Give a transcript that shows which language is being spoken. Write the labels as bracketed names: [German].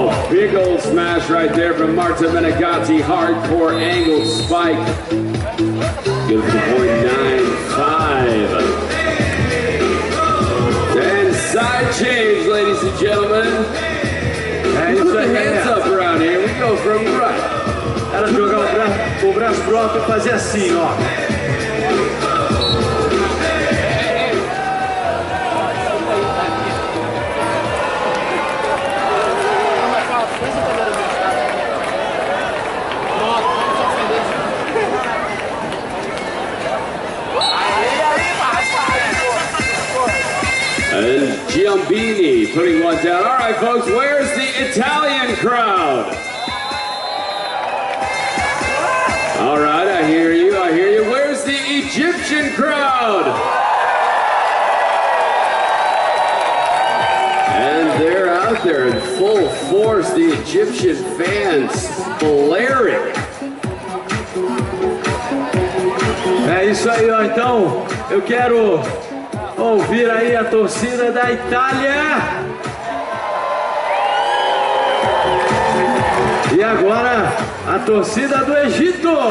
[English] Big old smash right there from Marta Menegatti. Hardcore angled spike. Gives the point 9-5. And side change, ladies and gentlemen. And it's a hands up around here. We go from right. [Portuguese] Ela jogava o braço pro alto e fazia assim, ó. [English] Giambini putting one down. All right, folks, where's the Italian crowd? All right, I hear you, I hear you. Where's the Egyptian crowd? And they're out there in full force, the Egyptian fans blaring. [Portuguese] É isso aí, ó. Então, eu quero ouvir aí a torcida da Itália. E agora a torcida do Egito.